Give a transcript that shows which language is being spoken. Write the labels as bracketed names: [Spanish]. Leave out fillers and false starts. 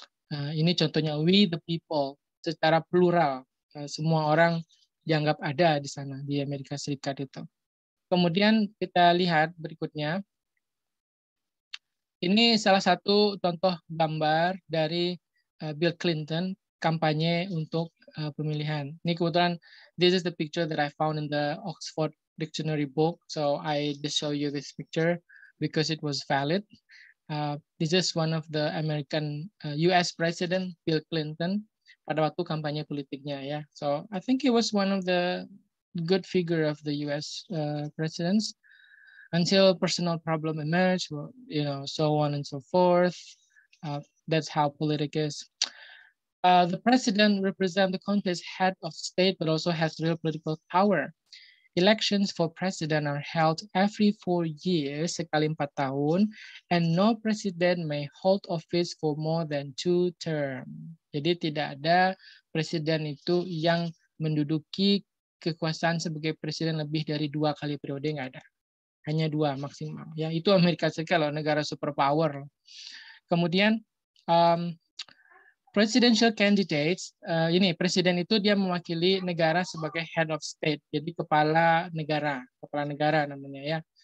[Indonesian] Ini contohnya We the People, secara plural, semua orang dianggap ada di sana di Amerika Serikat itu. Kemudian kita lihat berikutnya. Ini salah satu contoh gambar dari Bill Clinton kampanye untuk pemilihan. Ini kebetulan [English] this is the picture that I found in the Oxford Dictionary book. So I just show you this picture because it was valid. This is one of the American US President Bill Clinton [Indonesian] pada waktu kampanye politiknya, ya. [English] Yeah. So I think he was one of the good figure of the US presidents until personal problem emerged, you know, so on and so forth. That's how politics is. The president represents the country's head of state, but also has real political power. Elections for president are held every 4 years, [Indonesian] sekali 4 tahun, [English] and no president may hold office for more than 2 terms. [Indonesian] Jadi tidak ada presiden itu yang menduduki kekuasaan sebagai presiden lebih dari 2 kali periode, nggak ada. Hanya 2 maksimal. Ya, itu Amerika Serikat loh, negara superpower. Kemudian, [English] presidential candidates, [Indonesian] ini presiden itu dia mewakili negara sebagai head of state, jadi kepala negara namanya, ya.